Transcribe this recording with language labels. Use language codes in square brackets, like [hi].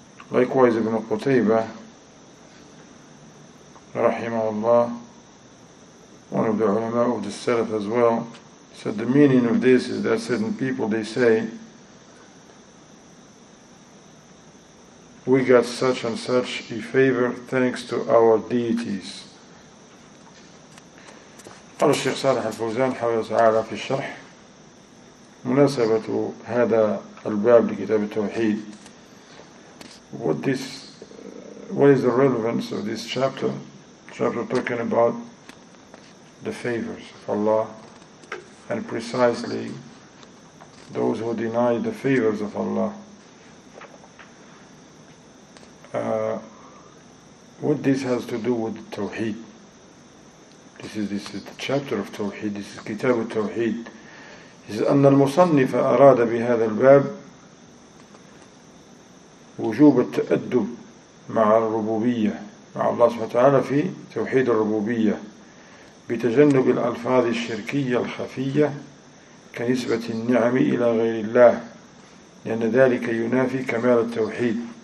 [en] Likewise, Ibn Qutayba, rahimahullah, one of the ulama of the Salaf as well, said the meaning of this is that certain people, they say, we got such and such a favor thanks to our deities. [ar] قال الشيخ صالح الفوزان حفظه تعالى في الشرح مناسبة هذا الباب لكتاب التوحيد. [en] What is the relevance of this chapter? Chapter talking about the favors of Allah, and precisely those who deny the favors of Allah. What this has to do with Tawheed? This is the chapter of Tawheed. This is Kitab al-Tawheed. He says, [ar] أن المصنف أراد بهذا الباب وجوب التأدب مع الربوبية مع الله سبحانه وتعالى في توحيد الربوبية بتجنب الألفاظ الشركية الخفية كنسبة النعم إلى غير الله لأن ذلك ينافي كمال التوحيد.